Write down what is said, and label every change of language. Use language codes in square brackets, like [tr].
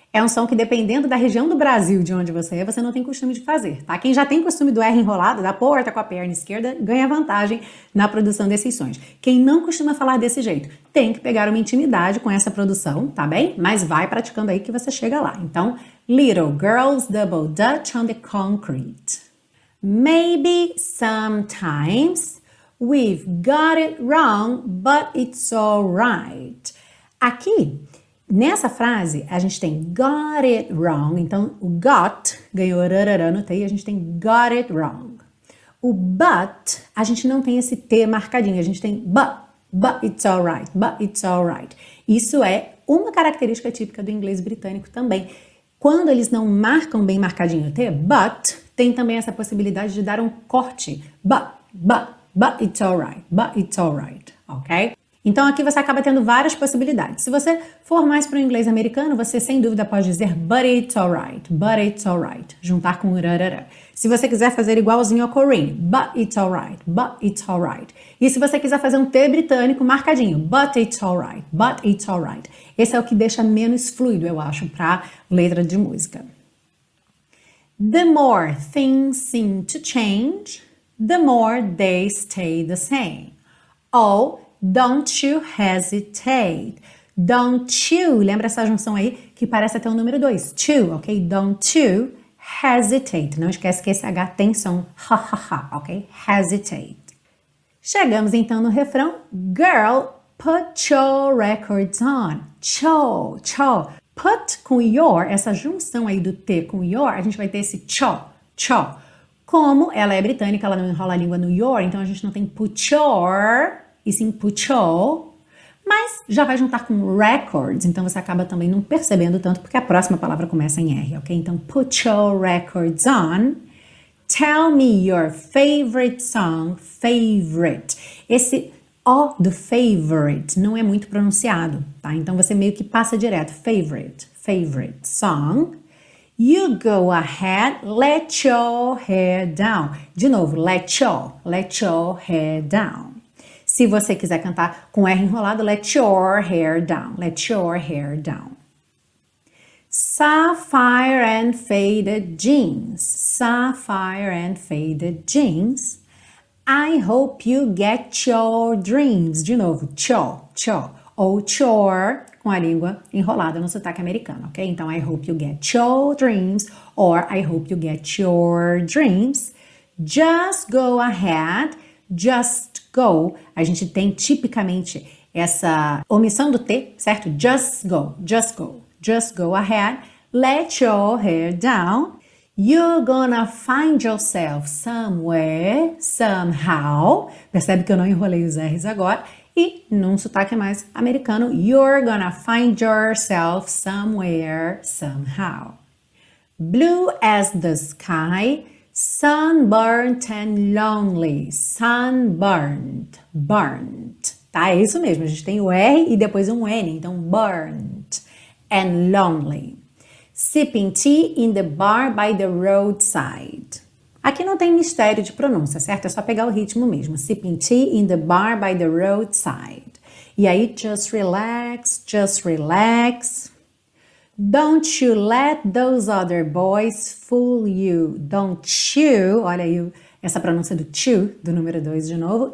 [pt] É um som que, dependendo da região do Brasil de onde você é, você não tem costume de fazer, tá? Quem já tem costume do R enrolado, da porta com a perna esquerda, ganha vantagem na produção desses sons. Quem não costuma falar desse jeito, tem que pegar uma intimidade com essa produção, tá bem? Mas vai praticando aí que você chega lá. [en] Então, little girls double dutch on the concrete. Maybe sometimes we've got it wrong, but it's all right. [pt] Aqui, nessa frase, a gente tem [en] got it wrong. [pt] Então, o got ganhou rarara no T e a gente tem [en] got it wrong. [pt] O but, a gente não tem esse T marcadinho. A gente tem [en] but it's all right, but it's all right. [pt] Isso é uma característica típica do inglês britânico também. Quando eles não marcam bem marcadinho o T, but, tem também essa possibilidade de dar um corte. [en] But it's all right, but it's all right, ok? [pt] Então aqui você acaba tendo várias possibilidades. Se você for mais para o inglês americano, você sem dúvida pode dizer [en] but it's all right, [pt] but it's all right, juntar com rarara. Se você quiser fazer igualzinho ao [en] Corinne, but it's all right, but it's all right. [pt] E se você quiser fazer um T britânico marcadinho, [en] but it's all right, [pt] but it's all right. Esse é o que deixa menos fluido, eu acho, para letra de música. [en] The more things seem to change, the more they stay the same. [pt] Ou [en] don't you hesitate. Don't you, [pt] lembra essa junção aí que parece até o número 2, to, ok? [en] Don't you hesitate. [pt] Não esquece que esse H tem som, ha, ok? Hesitate. Chegamos então no refrão. [en] Girl, put your records on. Cho. [pt] Put com your, essa junção aí do T com your, a gente vai ter esse cho. Como ela é britânica, ela não enrola a língua no your, então a gente não tem [en] put your, [pt] e sim put your, mas já vai juntar com records, então você acaba também não percebendo tanto, porque a próxima palavra começa em R, ok? Então, [en] put your records on. Tell me your favorite song, favorite. [pt] Esse O do favorite não é muito pronunciado, tá? Então você meio que passa direto. [en] Favorite song. You go ahead, let your hair down. [pt] De novo, [en] let your hair down. [pt] Se você quiser cantar com R enrolado, [en] let your hair down, let your hair down. Sapphire and faded jeans, sapphire and faded jeans. I hope you get your dreams. [pt] De novo, [en] cho, cho. Ou chore, [pt] com a língua enrolada no sotaque americano, ok? Então, [en] I hope you get your dreams, or I hope you get your dreams. Just go ahead, just go. [pt] A gente tem tipicamente essa omissão do T, certo? [en] Just go, just go, just go ahead. Let your hair down. You're gonna find yourself somewhere, somehow. [pt] Percebe que eu não enrolei os R's agora. E num sotaque mais americano, [en] you're gonna find yourself somewhere, somehow. Blue as the sky, sunburnt and lonely, sunburnt, burnt. [pt] Tá, é isso mesmo, a gente tem o R e depois um N, então [en] burnt and lonely. Sipping tea in the bar by the roadside. [pt] Aqui não tem mistério de pronúncia, certo? É só pegar o ritmo mesmo. [en] Sipping tea in the bar by the roadside. [pt] E aí, [en] just relax, just relax. Don't you let those other boys fool you. Don't you, [pt] olha aí essa pronúncia do to, do número 2 de novo.